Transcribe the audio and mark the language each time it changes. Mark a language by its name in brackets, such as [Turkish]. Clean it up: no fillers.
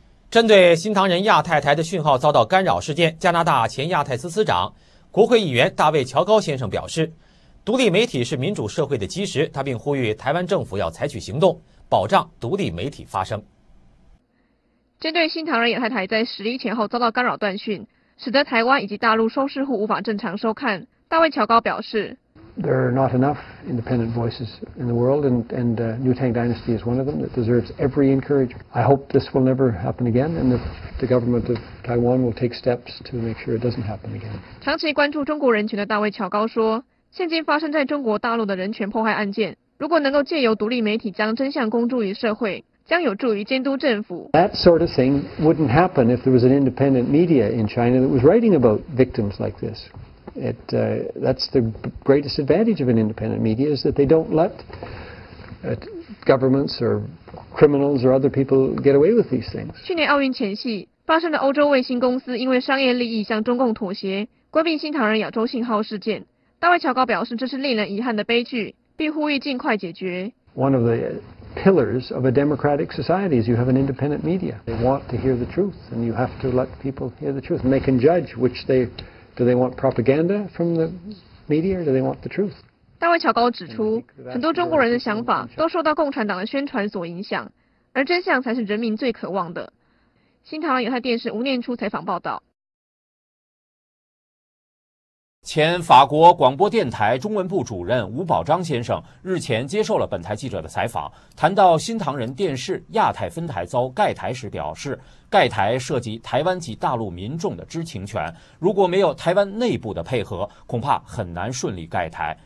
[Chinese] 针对新唐人亚太台的讯号遭到干扰事件，加拿大前亚太司司长、国会议员大卫·乔高先生表示，独立媒体是民主社会的基石，他并呼吁台湾政府要采取行动，保障独立媒体发声。针对新唐人亚太台在11前后遭到干扰断讯，使得台湾以及大陆收视户无法正常收看，大卫·乔高表示 [English] There are not enough independent voices in the world and New Tang Dynasty is one of them that deserves every encouragement. I hope this will never happen again and the government of Taiwan will take steps to make sure it doesn't happen again. [Chinese] 长期关注中国人权的大卫·乔高说，现今发生在中国大陆的人权迫害案件，如果能够借由独立媒体将真相公诸于社会，将有助于监督政府。 [English] That sort of thing wouldn't happen if there was an independent media in China that was writing about victims like this. That's the greatest advantage of an independent media is that they don't let governments or criminals or other people get away with these things. [Chinese] 去年奥运前夕发生的欧洲卫星公司因为商业利益向中共妥协，关闭新唐人亚洲信号事件。大卫·乔高表示，这是令人遗憾的悲剧，并呼吁尽快解决。 [English] One of the pillars of a democratic society is you have an independent media. They want to hear the truth, and you have to let people hear the truth. And they can judge which they do they want propaganda from the media, or do they want the truth. [Chinese] 大卫·乔高指出，很多中国人的想法都受到共产党的宣传所影响，而真相才是人民最渴望的。新唐人亚太电视吴念初采访报道。前法国广播电台中文部主任吴宝章先生日前接受了本台记者的采访，谈到新唐人电视亚太分台遭盖台时表示，盖台涉及台湾及大陆民众的知情权，如果没有台湾内部的配合，恐怕很难顺利盖台。